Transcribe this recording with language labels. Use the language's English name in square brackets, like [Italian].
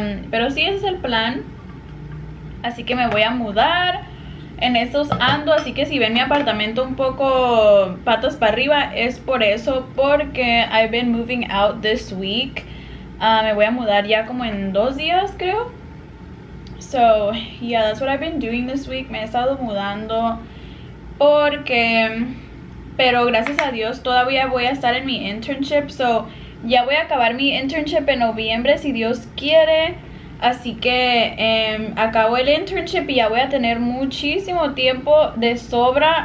[Spanish] Pero sí, ese es el plan. Así que me voy a mudar. En estos ando, así que si ven mi apartamento un poco patas para arriba, es por eso, porque [English] I've been moving out this week. [Spanish] Me voy a mudar ya como en 2 días, creo. [English] So, yeah, that's what I've been doing this week. [Spanish] Me he estado mudando porque, pero gracias a Dios, todavía voy a estar en mi internship. So, ya voy a acabar mi internship en noviembre, si Dios quiere. Así que acabo el internship y ya voy a tener muchísimo tiempo de sobra.